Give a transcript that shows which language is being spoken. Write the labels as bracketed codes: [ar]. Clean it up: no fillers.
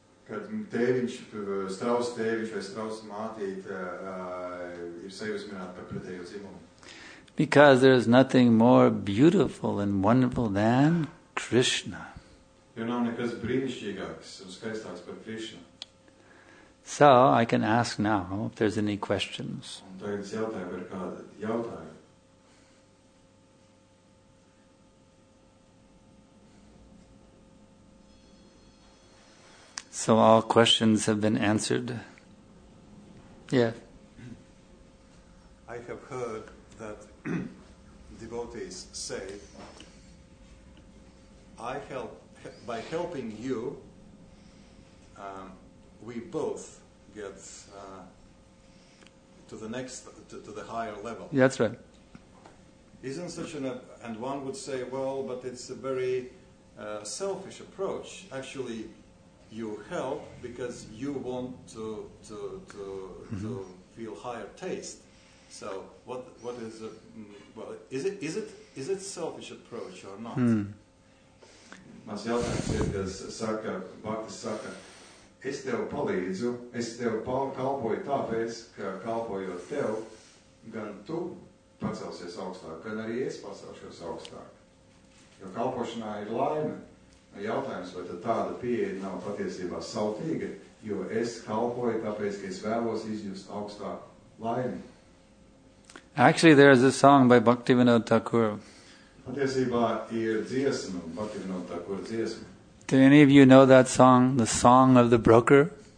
[lv] Kad tēviņš, strauss tēviņš vai strauss mātīte ir sajūsmināta par pretējo dzimumu. [en] Because there is nothing more beautiful and wonderful than Krishna. [lv] Jo nav nekas brīnišķīgāks un skaistāks par Krishna. [en] So, I can ask now if there's any questions. [lv] Un tagad es jautāju par kādu jautājumu. [en] So all questions have been answered. Yeah. I have heard that devotees say, "I help by helping you. We both get to the next to the higher level." That's right. Isn't such an and one would say, "Well, but it's a very selfish approach, actually." You help because you want to feel higher taste. So what is a well is it selfish approach or not? [lv] Mans jautājums ir, kas saka, Bhakti saka, es tev palīdzu, es tev kalpoju tāpēc, ka kalpojot tev, gan tu pacelsies augstāk, gan arī es pacelšos augstāk. Jo kalpošanā ir laime. Jautājums, vai tad tāda pieeja nav patiesībā sautīga, jo es kalpoju tāpēc, ka es vēlos izjust augstāku laimi. [en] Actually, there is a song by Bhaktivinoda Thakur. [lv] Patiesībā ir dziesma, Bhaktivinoda Thakur dziesma. [en] Do any of you know that song, the song of the broker?